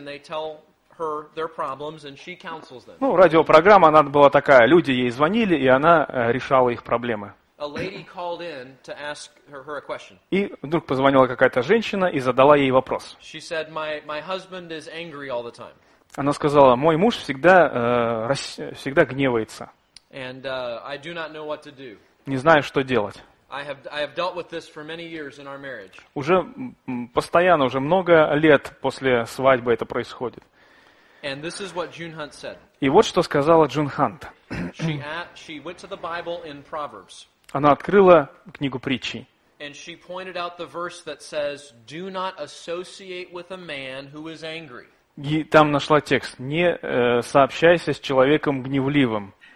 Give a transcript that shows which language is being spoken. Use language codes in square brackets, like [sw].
[ru] Ну, радиопрограмма, она была такая, люди ей звонили, и она решала их проблемы. [en] A lady called in to ask her a question. [ru] И вдруг позвонила какая-то женщина и задала ей вопрос. [en] She said, my husband is angry all the time. [ru] Она сказала, мой муж всегда гневается. [en] And, I do not know what to do. [ru] Не знаю, что делать. [en] I have dealt with this for many years in our marriage. [ru] Уже постоянно, уже много лет после свадьбы это происходит. [en] And this is what June Hunt said. [ru] И вот что сказала Джун Хант. [en] She went to the Bible in Proverbs. [ru] Она открыла книгу притчи. [en] And she pointed out the verse that says, do not associate with a man who is angry. [ru] И там нашла текст. Не сообщайся с человеком гневливым.